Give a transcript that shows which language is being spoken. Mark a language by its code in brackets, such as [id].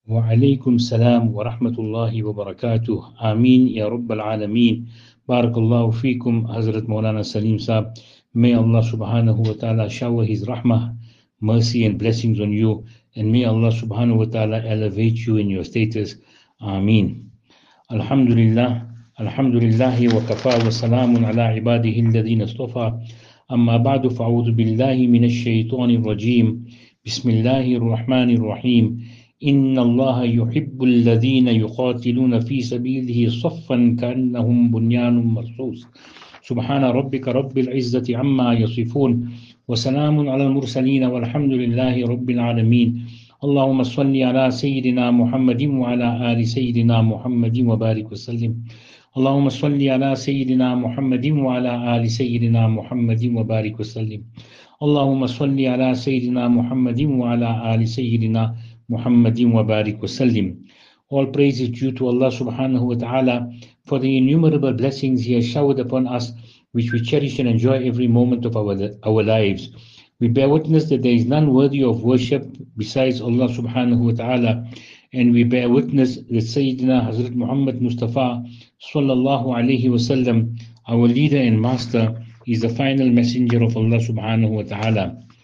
[ar] وعليكم السلام ورحمة الله وبركاته. آمين يا رب العالمين. بارك الله فيكم حضرة مولانا سليم صاحب. [en] May Allah subhanahu wa ta'ala shower his rahmah, mercy and blessings on you. And may Allah subhanahu wa ta'ala elevate you in your status. Ameen. Alhamdulillah. [ar] Alhamdulillah wa kafa wa salamun ala ibadihi alladhina astafa. Amma ba'du fa'udhu billahi minash shaytani rajim. Bismillahir Rahmanir Rahim. Inna Allah yuhibbu alladhina yuqatiluna fi sabilihi saffan ka'annahum bunyanun marsus. سبحان ربك رب العزة عما يصفون وسلام على المرسلين والحمد لله رب العالمين. اللهم صل على سيدنا محمد وعلى آل سيدنا محمد وبارك وسلم. اللهم صل على سيدنا محمد وعلى آل سيدنا محمد وبارك وسلم. اللهم صل على سيدنا محمد وعلى آل سيدنا محمد وبارك وسلم. [en] All praise is due to Allah subhanahu wa ta'ala for the innumerable blessings He has showered upon us, which we cherish and enjoy every moment of our lives. We bear witness that there is none worthy of worship besides Allah subhanahu wa ta'ala. And we bear witness that Sayyidina Hazrat Muhammad Mustafa sallallahu alayhi wa sallam, our leader and master, is the final messenger of Allah subhanahu wa ta'ala.